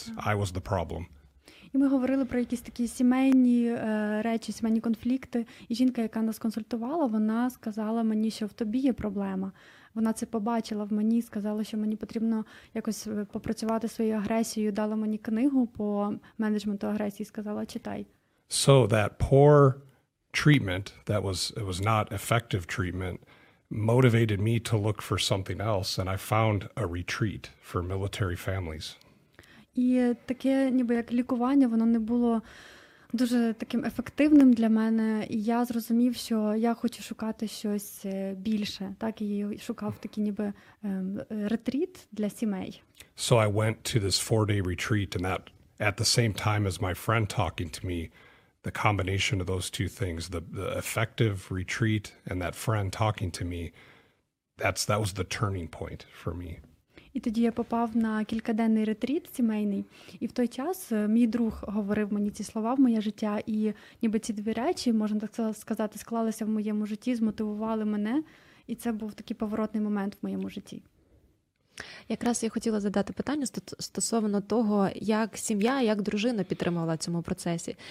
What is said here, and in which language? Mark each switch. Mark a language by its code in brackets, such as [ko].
[en] I was the problem. [uk] І ми говорили про якісь такі сімейні речі, сімейні конфлікти. І жінка, яка нас консультувала, вона сказала мені, що в тобі є проблема. Вона це побачила в мені, сказала, що мені потрібно якось попрацювати своєю агресією, дала мені книгу по менеджменту агресії, сказала, читай. [en] So that poor treatment, that was, it was not effective treatment, motivated me to look for something else, and I found a retreat for military families. [uk] І таке, ніби як лікування, воно не було дуже таким ефективним для мене. І я зрозумів, що я хочу шукати щось більше. Так, і шукав такий ніби ретріт для сімей. [en] So I went to this 4-day retreat, and that at the same time as my friend talking to me, the combination of those two things, the effective retreat and that friend talking to me, that was the turning point for me. [uk] І тоді я попав на кількаденний ретріт сімейний, і в той час мій друг говорив мені ці слова в моє життя, і ніби ці дві речі, можна так сказати, склалися в моєму житті, змотивували мене, і це був такий поворотний момент в моєму житті. Якраз я хотіла задати питання стосовно того, як сім'я, як дружина підтримувала цьому процесі.